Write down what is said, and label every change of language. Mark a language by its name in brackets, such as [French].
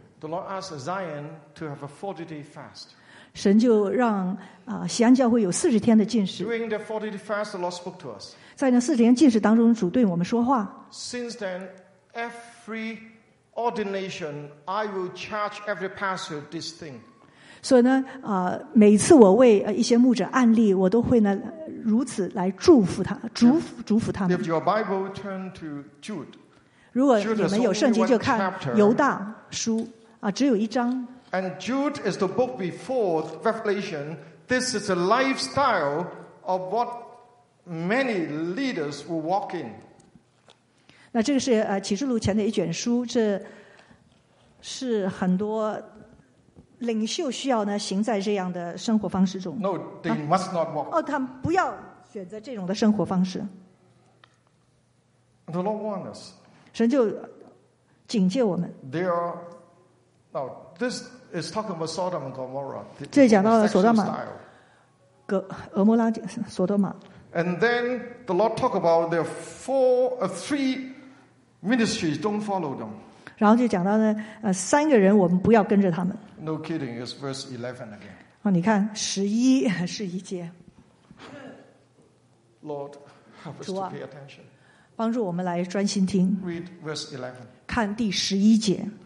[English] The Lord asked Zion to have a 40-day fast. [Chinese] 神就让锡安教会有40天的禁食 [English] During the 40-day fast, the Lord spoke to us. [Chinese] 在那40天禁食当中主对我们说话 [English] Since then, every ordination, I will charge every pastor this thing. [Chinese] 所以呢，每次我为一些牧者案例，我都会呢如此来祝福他，祝福他们。 [English] If your Bible turn to Jude, [Chinese] 如果你们有圣经，就看犹大书只有一章。 [English] And Jude is the book before Revelation. This is a lifestyle of what many leaders will walk in. [Chinese] 那这个是启示录前的一卷书，这是很多。领袖需要呢行在这样的生活方式中。 [English] No, they must not walk. [Chinese] 他们不要选择这种的生活方式。 [English] The Lord warns us. [Chinese] 神就警戒我们。 [English] There are now this is talking about Sodom and Gomorrah. [Chinese] 这讲到了索多玛、俄摩拉、索多玛。 [English] And then the Lord talk about there are three ministries don't follow them. [Chinese] 然后就讲到呢，三个人我们不要跟着他们。 [English] No kidding, it's verse 11 again. [Chinese] 哦，你看十一是一节。 [English] Lord, help us to pay attention. [Chinese] 帮助我们来专心听。 [English] Read verse 11. [Chinese] 看第十一节。